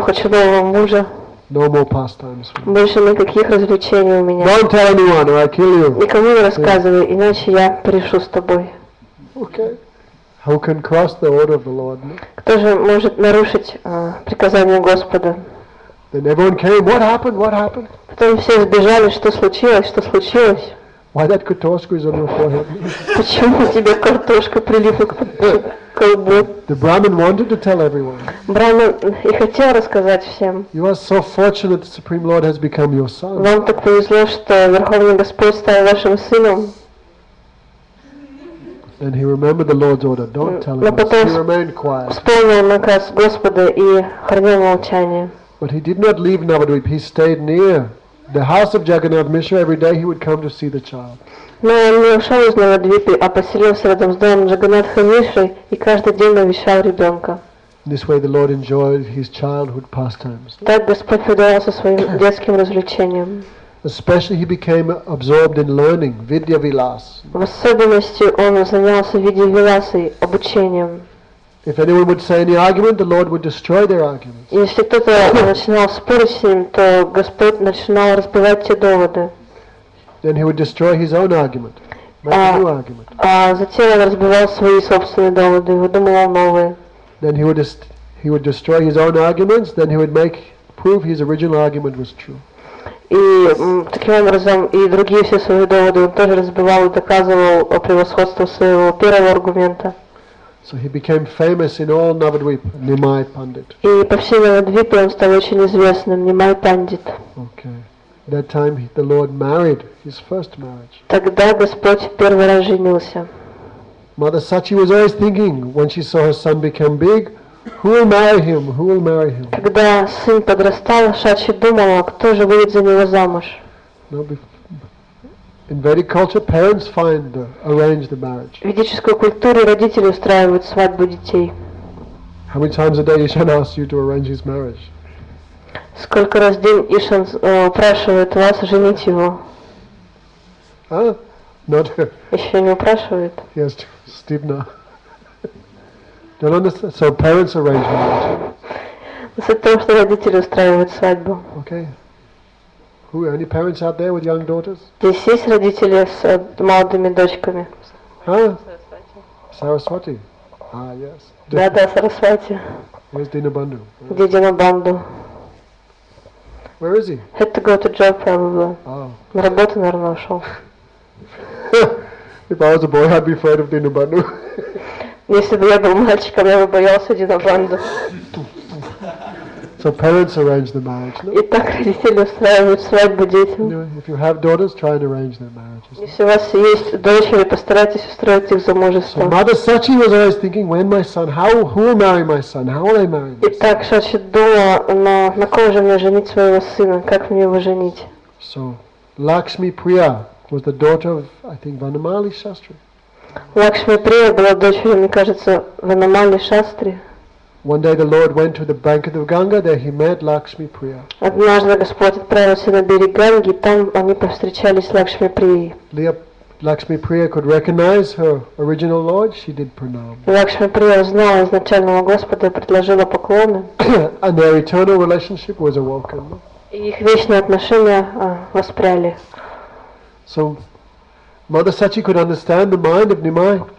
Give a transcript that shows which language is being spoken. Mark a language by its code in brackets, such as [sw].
[ru] Хочу нового мужа. [en] No more pastimes. [ru] Больше никаких развлечений у меня. [en] Don't tell anyone, or I kill you. [ru] Никому не рассказывай, иначе я пришу с тобой. [en] Okay. Who can cross the order of the Lord? [ru] Кто же может нарушить приказание Господа? [en] Then everyone came. What happened? What happened? [ru] Потом все сбежали. Что случилось? Что случилось? [en] Why that kartoshka is on your forehead? [ru] Почему у тебя картошка прилипла к колбу? [en] The Brahmin wanted to tell everyone. [ru] Брахман и хотел рассказать всем. [en] You are so fortunate the Supreme Lord has become your son. [ru] Вам так повезло, что Верховный Господь стал вашим сыном. [en] And he remembered the Lord's order. Don't tell him. But he remained quiet. [ru] Вспомнил наказ Господа и хранил молчание. [en] But he did not leave Navadvip. He stayed near the house of Jagannath Mishra. Every day he would come to see the child. [ru] Но он не ушел из Навадвипы, а поселился рядом с домом Джаганнатха Мишры и каждый день навещал ребенка. [en] This way the Lord enjoyed his childhood pastimes. [ru] Так Господь предавался своим детским развлечениям. [en] Especially he became absorbed in learning Vidya Vilas. [ru] В особенности он занялся Vidya Vilasой, обучением. [en] If anyone would say any argument, the Lord would destroy their arguments. [ru] Если кто-то начинал спорить с ним, то Господь начинал разбивать те доводы. [en] Then he would destroy his own argument, make a new argument. [ru] Затем он разбивал свои собственные доводы, выдумывал новые. [en] Then he would destroy his own arguments. Then he would prove his original argument was true. [ru] И таким образом и другие все свои доводы он тоже разбивал и доказывал о превосходстве своего первого аргумента. [en] So he became famous in all Navadvip, Nimai Pandit. [ru] И по всей Навадвипе он стал очень известным, Nimai Pandit. [en] Okay. That time the Lord married his first marriage. [ru] Тогда Господь первый раз женился. [en] Mother Sachi was always thinking when she saw her son become big, who will marry him? Who will marry him? [ru] Когда сын подрастал, Шачи думала, кто же выйдет за него замуж. [en] In Vedic culture, parents find arrange the marriage. [ru] В ведической культуре родители устраивают свадьбу детей. [en] How many times a day Ishan asks you to arrange his marriage? [ru] Сколько раз в день Ишан упрашивает вас женить его? [en] Not. [ru] Еще не упрашивает. [en] Yes, Stibna. Don't understand. So parents arrange marriage. [ru] С тем, что родители устраивают свадьбу. [en] Okay. Who? Any parents out there with young daughters? [ru] Здесь есть родители с молодыми дочками. [en] Сарасвати. Ah, yes. [ru] Да, Сарасвати. [en] Where's Dinabandhu? [ru] Где Динабанду? [en] Where is he? Had to go to job probably. [ru] На работу, наверное, ушел. [en] If I was a boy, I'd be afraid of Dinabandhu. [ru] Если бы я был мальчиком, я бы боялся Динабанду. [en] So parents arrange the marriage. [ru] Итак, родители устраивают свадьбу детям. [en] If you have daughters, try and arrange their marriages. [ru] Если у вас есть дочери, постарайтесь устроить их замужество. [en] Mother Sachi was always thinking, when my son, how, who will marry my son? How will I marry? [ru] Итак, Шачи думала, на кого же мне женить своего сына? Как мне его женить? [en] So, Lakshmi Priya was the daughter of, I think, Vanamali Shastri. [ru] Лакшми Прия была дочерью, мне кажется, Ванамали Шастри. [en] One day the Lord went to the bank of the Ganga. There he met Lakshmi Priya. [ru] Однажды Господь отправился на берег Ганги. Там они повстречались с Лакшми Прией. [en] Lakshmi Priya could recognize her original Lord. She did pranam. [ru] Лакшми Прия узнала изначального Господа и предложила поклоны. [en] And their eternal relationship was awoken. [ru] И их вечные отношения воспряли. [en] So, Mother Sachi could understand the mind of Nimai.